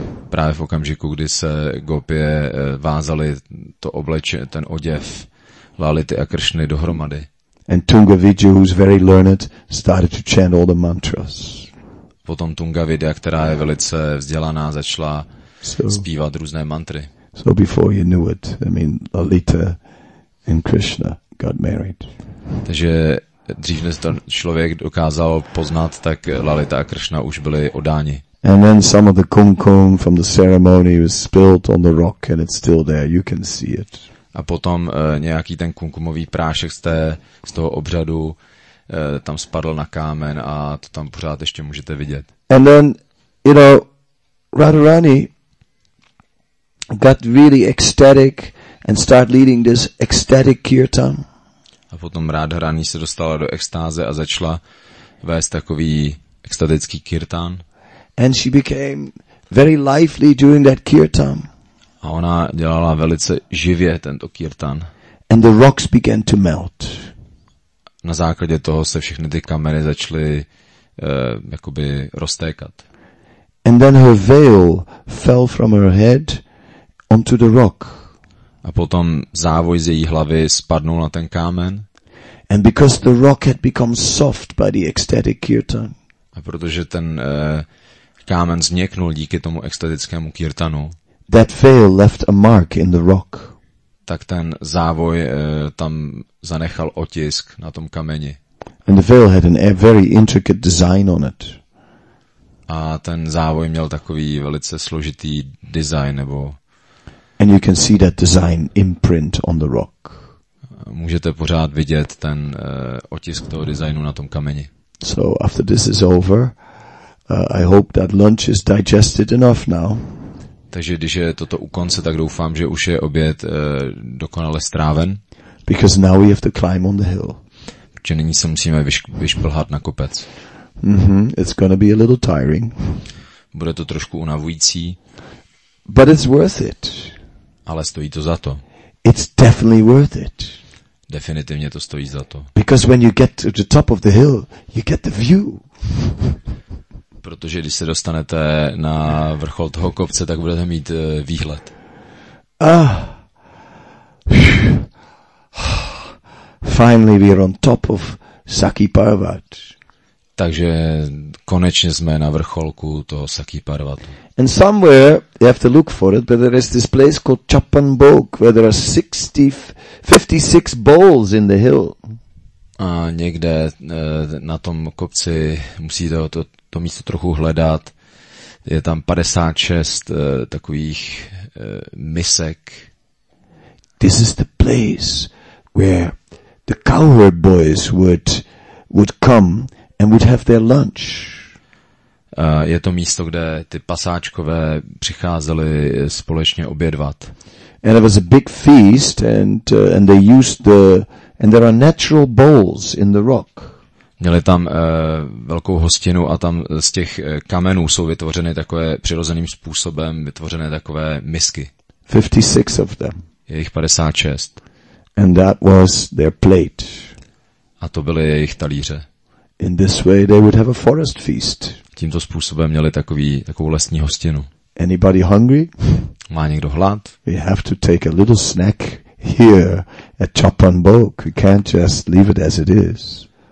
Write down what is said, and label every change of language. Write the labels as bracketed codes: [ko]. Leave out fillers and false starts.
[cs] Právě v okamžiku, kdy se gopie vázali to obleče, ten oděv Lality a Krishny dohromady. [en] And Tungavidya, who's very learned, started to chant all the mantras. [cs] Potom Tungavidya, která je velice vzdělaná, začala zpívat různé mantry. [en] So before you knew it, I mean, Lalita and Krishna got married. [cs] Takže dřív než ten člověk dokázal poznat, tak Lalita a Krishna už byli odáni. [en] And then some of the kumkum from the ceremony was spilled on the rock and it's still there, you can see it. [cs] A potom nějaký ten kumkumový prášek z toho obřadu tam spadl na kámen a to tam pořád ještě můžete vidět. [en] And then, you know, Radharani got really ecstatic and start leading this ecstatic kirtan. [cs] A potom Radharani se dostala do extáze a začala vést takový extatický kirtan. [en] And she became very lively during that kirtan. [cs] A ona dělala velice živě tento kirtan. [en] And the rocks began to melt. [cs] Na základě toho se všechny ty kameny začaly jakoby roztékat. [en] And then her veil fell from her head onto the rock. [cs] A potom závoj z její hlavy spadnul na ten kámen. [en] And because the rock had become soft by the ecstatic kirtan. [cs] A protože ten kámen změknul díky tomu extatickému kirtanu. [en] That fail left a mark in the rock. [cs] Tak ten závoj tam zanechal otisk na tom kameni. [en] And the fail had a very intricate design on it. [cs] A ten závoj měl takový velice složitý design, nebo... [en] And you can see that design imprint on the rock. [cs] Můžete pořád vidět ten otisk toho designu na tom kameni. [en] So after this is over, I hope that lunch is digested enough now. [cs] Takže když je toto u konce, tak doufám, že už je oběd dokonale stráven. [en] Because now we have to climb on the hill. [cs] Protože nyní se musíme vyšplhat na kopec. Mm-hmm. [en] It's gonna be a little tiring. [cs] Bude to trošku unavující. [en] But it's worth it. [cs] Ale stojí to za to. [en] It's definitely worth it. [cs] Definitivně to stojí za to. [en] Because when you get to the top of the hill, you get the view. [cs] Protože když se dostanete na vrchol toho kopce, tak budete mít výhled. [en] Finally we are on top of Saki Parvat. [cs] Takže konečně jsme na vrcholku toho Saki Parvatu. [en] And somewhere you have to look for it, but there is this place called Chappan Bog, where there are 56 bowls in the hill. [cs] A někde na tom kopci musíte to místo trochu hledat. Je tam 56 takových misek. [en] This is the place where the cowherd boys would come and would have their lunch. [cs] Je to místo, kde ty pasáčkové přicházeli společně obědvat. [en] And it was a big feast and they used the and there are natural bowls in the rock. [cs] Měli tam velkou hostinu a tam z těch kamenů jsou vytvořeny takové přirozeným způsobem vytvořené takové misky. [en] 56 of them. [cs] Je jich 56. [en] And that was their plate. [cs] A to byly jejich talíře. [en] In this way they would have a forest feast. [cs] Tímto způsobem měli takovou lesní hostinu. [en] Anybody hungry? [cs] Má někdo hlad? [en] We have to take a little snack here at Chappan Bog. We can't just leave it as it is.